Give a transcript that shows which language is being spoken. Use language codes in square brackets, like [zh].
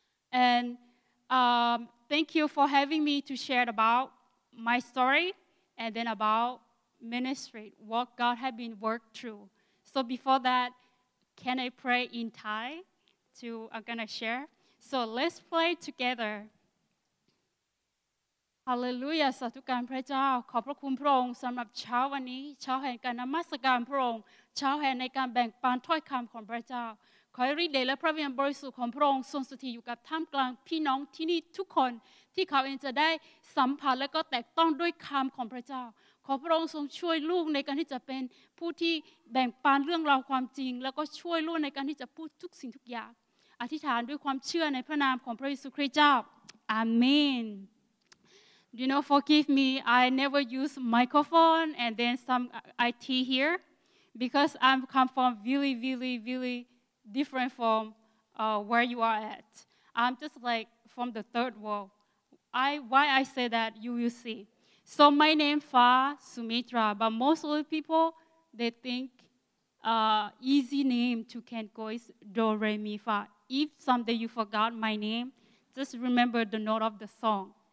[en] And thank you for having me to share about my story and then about ministry, what God has been worked through. So before that, can I pray in Thai to I'm going to share? So let's pray together. [th] Hallelujah, สาธุการพระเจ้าขอบพระคุณพระองค์สำหรับเช้าวันนี้เช้าแห่งการนมัสการพระองค์เช้าแห่งในการแบ่งปันถ้อยคำของพระเจ้า ขอให้ฤทธิ์เดชและพระวิญญาณบริสุทธิ์ของพระองค์ทรงสถิตอยู่กับท่ามกลางพี่น้องที่นี่ทุกคนที่เขาเองจะได้สัมผัสและก็แตกต้องด้วยคำของพระเจ้าขอพระองค์ทรงช่วยลูกในการที่จะเป็นผู้ที่แบ่งปันเรื่องราวความจริงแล้วก็ช่วยลูกในการที่จะพูดทุกสิ่งทุกอย่าง อธิษฐานด้วยความเชื่อในพระนามของพระเยซูคริสต์เจ้าอาเมน [en] You know, forgive me, I never use microphone and then some IT here because I come from really, really, really different from where you are at. I'm just like from the third world. Why I say that, you will see. So my name Fa Sumitra, but most of the people, they think easy name to can go is Doremi Fa. If someday you forgot my name, just remember the note of the song.